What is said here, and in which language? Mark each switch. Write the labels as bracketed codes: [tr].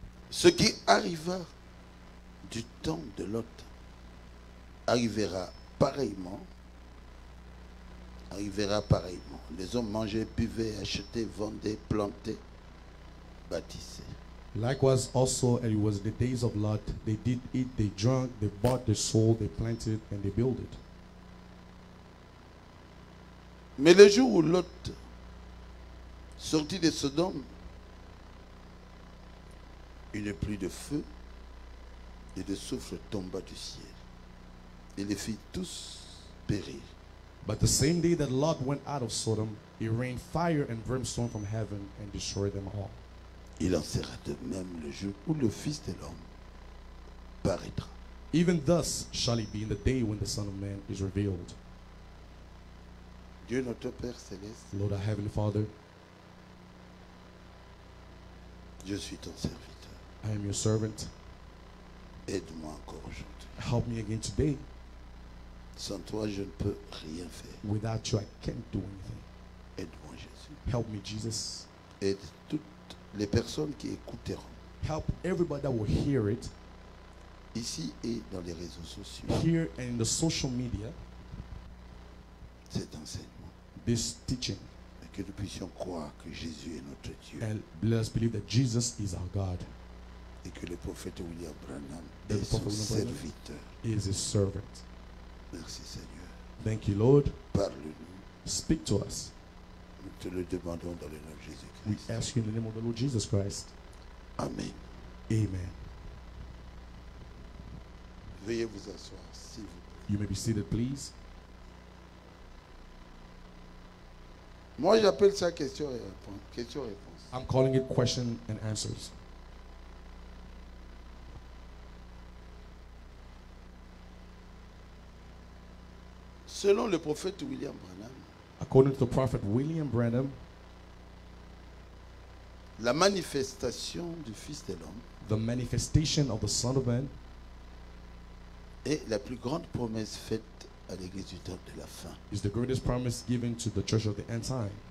[fr] Ce qui arriva du temps de Lot arrivera pareillement. Arrivera pareillement. Les hommes mangeaient, buvaient, achetaient, vendaient, plantaient, bâtissaient. [en] Likewise also, and it was the days of Lot, they did eat, they drank, they bought, they sold, they planted, and they built it. [fr] Mais le jour où Lot sorti de Sodome, une pluie de feu et de soufre tomba du ciel et les fit tous périr. [en] But the same day that Lot went out of Sodom, it rained fire and brimstone from heaven and destroyed them all. [fr] Il en sera de même le jour où le Fils de l'homme paraîtra. [en] Even thus shall it be in the day when the Son of Man is revealed. [fr] Dieu notre Père céleste, [en] Lord our Heavenly Father, [fr] je suis ton serviteur. [en] I am your servant. [fr] Aide-moi encore aujourd'hui. [en] Help me again today. [fr] Sans toi, je ne peux rien faire. [en] Without you, I can't do anything. [fr] Aide-moi, Jésus. [en] Help me, Jesus. [fr] Aide toutes les personnes qui écouteront. [en] Help everybody that will hear it. [fr] Ici et dans les réseaux sociaux. [en] Here and in the social media. [fr] Cet enseignement. [en] This teaching. [fr] Que nous puissions croire que Jésus est notre Dieu. [en] And let us believe that Jesus is our God. [fr] Et que le prophète William Branham est son serviteur. [en] Is his servant. [fr] Merci Seigneur. [en] Thank you Lord. [fr] Parle-nous. [en] Speak to us. [fr] Nous te le demandons dans le nom de Jésus Christ. [en] We ask you in the name of the Lord Jesus Christ. [fr] Amen. [en] Amen. [fr] Veuillez vous asseoir, s'il vous plaît. [en] You may be seated, please. [fr] Moi, j'appelle ça question-réponse. [en] I'm calling it question and answers. [fr] Selon le prophète William Branham, [en] according to the prophet William Branham, [fr] la manifestation du Fils de l'homme, [en] the manifestation of the Son of Man, [fr] est la plus grande promesse faite à l'Église du temps de la fin. [en] Is the greatest promise given to the Church of the End Time.